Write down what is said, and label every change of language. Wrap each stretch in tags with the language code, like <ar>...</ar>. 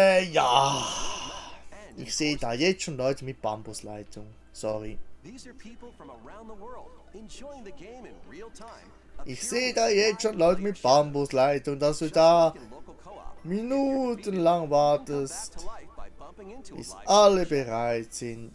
<de>Ja. Ich sehe da jetzt schon Leute mit Bambusleitung. Sorry.</de> <en>These are people from around the world enjoying the game in real time.</en> <de>Ich sehe da jetzt schon Leute mit Bambusleit und dass du da minutenlang wartest, bis alle bereit sind.</de>